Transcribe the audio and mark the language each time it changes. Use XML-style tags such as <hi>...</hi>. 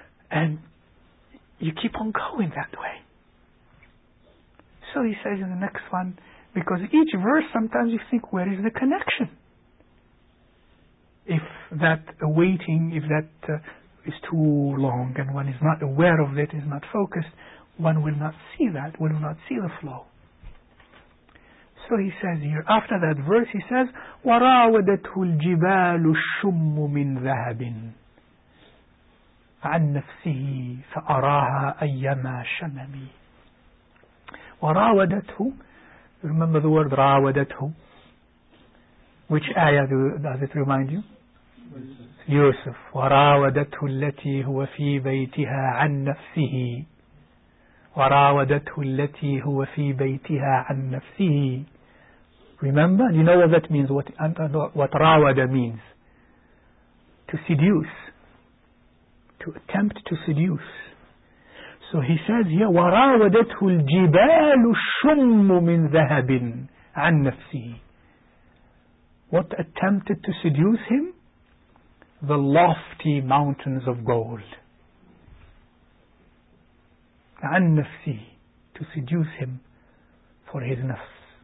<en>And you keep on going that way. So he says in the next one, because each verse, sometimes you think, where is the connection? If that awaiting, if that is too long, and one is not aware of it, is not focused, one will not see that, one will not see the flow. So he says here, after that verse, he says,</en> <ar>وَرَاوَدَتْهُ الْجِبَالُ الشُّمُّ مِنْ ذَهَبٍ عَنْ نَفْسِهِ فَأَرَاهَا أَيَّمَا شَمَمِي.</ar> <en>وَرَاوَدَتْهُ, remember the word رَاوَدَتْهُ, which ayah does it remind you? Yusuf.</en> <ar>وراودته التي هو في بيتها عن نفسه. وراودته التي هو في بيتها عن نفسه.</ar> <en>Remember, you know what that means. What rawada means? To seduce. To attempt to seduce. So he says here,</en> <ar>وراودته الجبال الشم من ذهب عن نفسه.</ar> <en>What attempted to seduce him? The lofty mountains of gold.</en> <ar>عن نفسي,</ar> <en>to seduce him for his nafs.</en>